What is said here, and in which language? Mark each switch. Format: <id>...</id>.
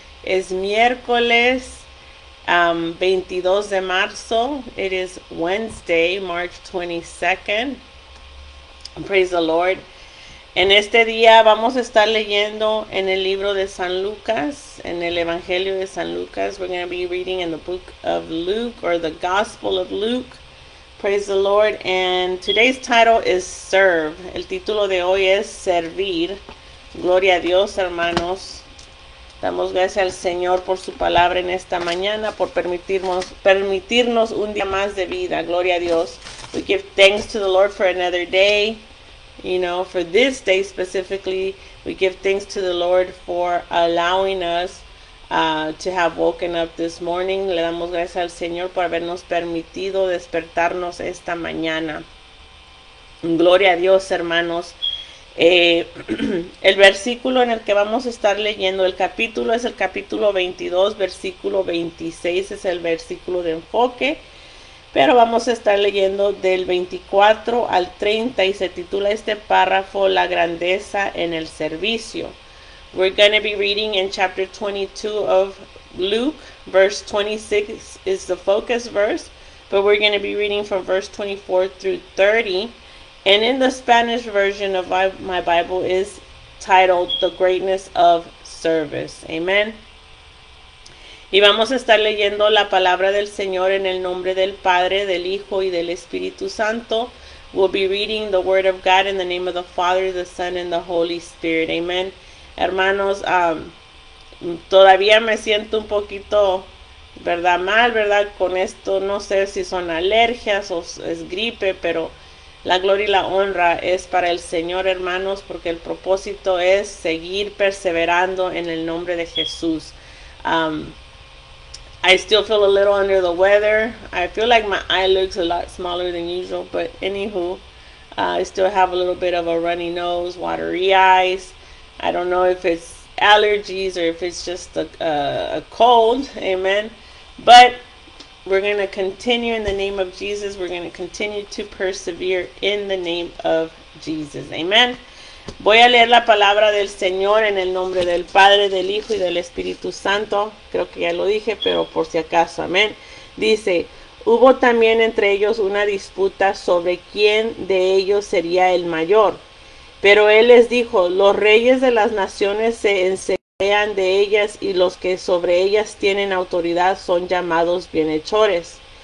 <es>Es miércoles 22 de marzo.</es> <en>It is Wednesday, March 22nd. Praise the Lord.</en> <es>En este día vamos a estar leyendo en el libro de San Lucas, en el Evangelio de San Lucas.</es> <en>We're going to be reading in the book of Luke or the Gospel of Luke. Praise the Lord. And today's title is Serve.</en> <es>El título de hoy es Servir. Gloria a Dios, hermanos. Damos gracias al Señor por su palabra en esta mañana, por permitirnos un día más de vida. Gloria a Dios.</es> <en>We give thanks to the Lord for another day. You know, for this day specifically, we give thanks to the Lord for allowing us to have woken up this morning.</en> <es>Le damos gracias al Señor por habernos permitido despertarnos esta mañana. Gloria a Dios, hermanos. El versículo en el que vamos a estar leyendo, el capítulo es el capítulo 22, versículo 26 es el versículo de enfoque. Pero vamos a estar leyendo del 24 al 30 y se titula este párrafo La grandeza en el servicio.</es> <en>We're going to be reading in chapter 22 of Luke, verse 26 is the focus verse, but we're going to be reading from verse 24 through 30. And in the Spanish version of my Bible is titled The Greatness of Service. Amen.</en> <es>Y vamos a estar leyendo la palabra del Señor en el nombre del Padre, del Hijo y del Espíritu Santo.</es> <en>We'll be reading the Word of God in the name of the Father, the Son, and the Holy Spirit.</en> <es>Amen. Hermanos, todavía me siento un poquito, ¿verdad? Mal, ¿verdad? Con esto, no sé si son alergias o es gripe, pero la gloria y la honra es para el Señor, hermanos, porque el propósito es seguir perseverando en el nombre de Jesús.</es> <en>I still feel a little under the weather. I feel like my eye looks a lot smaller than usual, but anywho, I still have a little bit of a runny nose, watery eyes. I don't know if it's allergies or if it's just a cold. Amen. But we're going to continue in the name of Jesus. We're going to continue to persevere in the name of Jesus. Amen.</en> <es>Voy a leer la palabra del Señor en el nombre del Padre, del Hijo y del Espíritu Santo. Creo que ya lo dije, pero por si acaso, amén. Dice, hubo también entre ellos una disputa sobre quién de ellos sería el mayor. Pero él les dijo, los reyes de las naciones se enseñorean de ellas y los que sobre ellas tienen autoridad son llamados bienhechores.</es>